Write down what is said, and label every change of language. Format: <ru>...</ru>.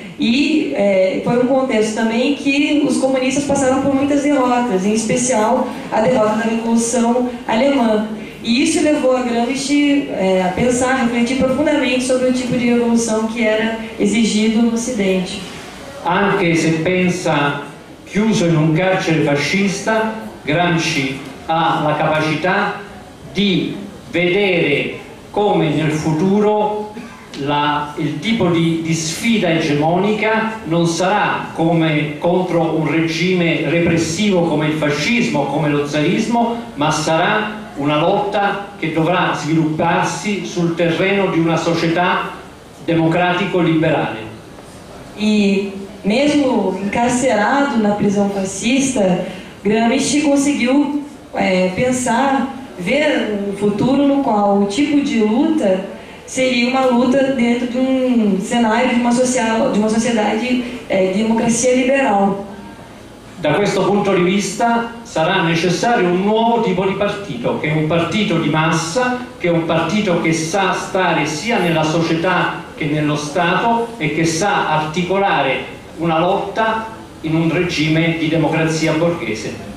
<pt>E foi um contexto também que os comunistas passaram por muitas derrotas, em especial a derrota da Revolução Alemã. E isso levou a Gramsci a pensar, a refletir profundamente sobre o tipo de revolução que era exigido no Ocidente.</pt> <it>Anche se pensa chiuso in un carcere fascista, Gramsci ha la capacità di vedere come nel futuro il tipo di sfida egemonica non sarà come contro un regime repressivo come il fascismo, come lo zarismo, ma sarà una lotta che dovrà svilupparsi sul terreno di una società democratico-liberale.</it> <pt>E mesmo encarcerado na prisão fascista, Gramsci conseguiu pensar, ver um futuro no qual o tipo de luta seria uma luta dentro de um cenário de uma sociedade de democracia liberal.</pt> <it>Da questo punto di vista sarà necessario un nuovo tipo di partito, che è un partito di massa, che è un partito che sa stare sia nella società che nello Stato e che sa articolare una lotta in un regime di democrazia borghese.</it>